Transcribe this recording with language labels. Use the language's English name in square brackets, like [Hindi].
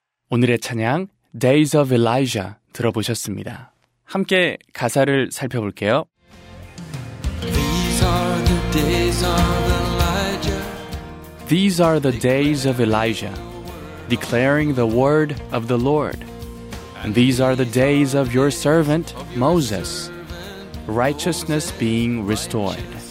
[Korean] 오늘의 찬양 Days of Elijah 들어보셨습니다. 함께 가사를 살펴볼게요. [English] These are the days of Elijah. These are the days of Elijah, declaring the word of the Lord. And these are the days of your servant Moses, righteousness being restored.